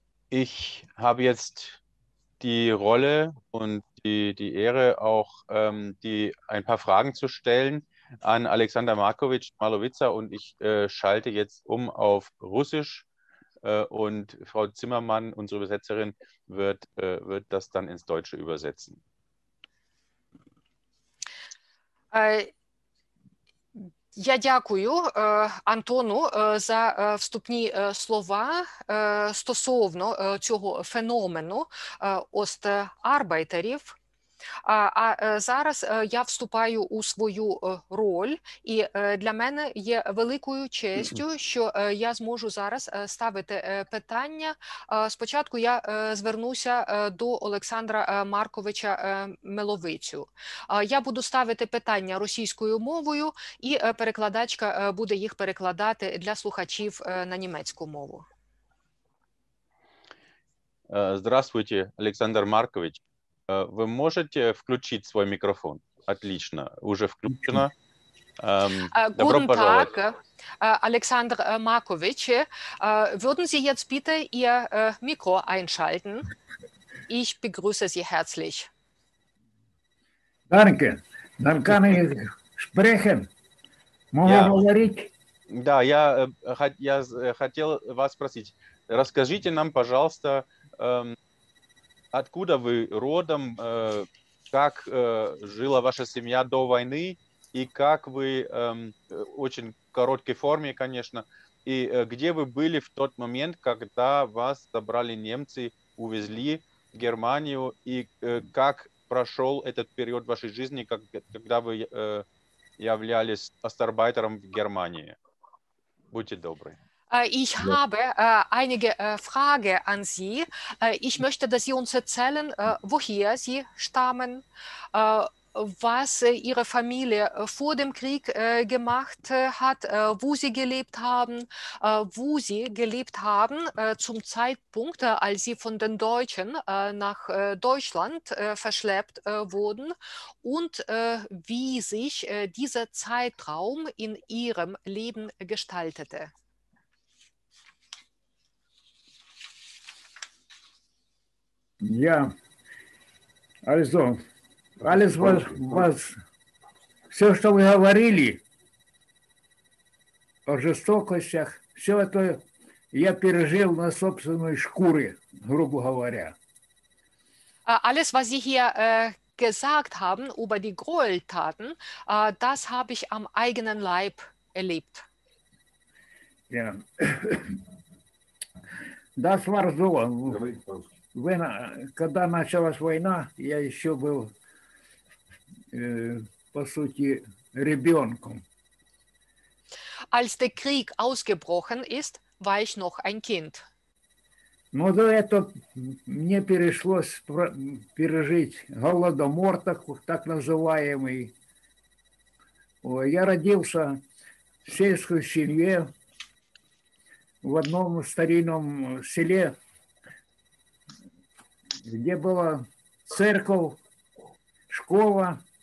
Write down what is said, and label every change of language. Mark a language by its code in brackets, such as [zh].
[de] Ich habe jetzt die Rolle und die Ehre, auch ein paar Fragen zu stellen an Alexander Markovic Malowica, und ich schalte jetzt um auf Russisch. Und Frau Zimmermann, unsere Übersetzerin, wird das dann ins Deutsche übersetzen. [uk] Я дякую Антону за вступні слова стосовно цього феномену остарбайтерів. А зараз я вступаю у свою роль, і для мене є великою честю, що я зможу зараз ставити питання. Спочатку я звернуся до Олександра Марковича Меловицю. Я буду ставити питання російською мовою, і перекладачка буде їх перекладати для слухачів на німецьку мову. [ru] Здравствуйте, Олександр Маркович. Вы можете включить свой микрофон? Отлично, уже включено. Добро пожаловать. [de] Александр Маркович, würden Sie jetzt bitte Ihr Mikro einschalten? Ich begrüße Sie herzlich. Danke, dann kann ich sprechen. [ru] Можно говорить? Да, я хотел вас спросить. Расскажите нам, пожалуйста, откуда вы родом, как жила ваша семья до войны, и как вы, очень короткой форме, конечно, и где вы были в тот момент, когда вас забрали немцы, увезли в Германию, и как прошел этот период вашей жизни, когда вы являлись остарбайтером в Германии? Будьте добры. [de] Ich habe einige Fragen an Sie. Ich möchte, dass Sie uns erzählen, woher Sie stammen, was Ihre Familie vor dem Krieg gemacht hat, wo Sie gelebt haben, zum Zeitpunkt, als Sie von den Deutschen nach Deutschland verschleppt wurden, und wie sich dieser Zeitraum in Ihrem Leben gestaltete. Ja, also alles, was [ru] все, что вы говорили о жестокостях, все это я пережил на собственной шкуре, грубо говоря. [de] Alles, was Sie hier gesagt haben über die Gräueltaten, das habe ich am eigenen Leib erlebt. Ja, das war so. [ru] Когда началась война, я еще был, по сути, ребенком. [de] Als der Krieg ausgebrochen ist, war ich noch ein Kind. [ru] Но до этого мне пришлось пережить голодомор, так называемый. Я родился в сельской семье в одном старинном селе, где была церковь, школа.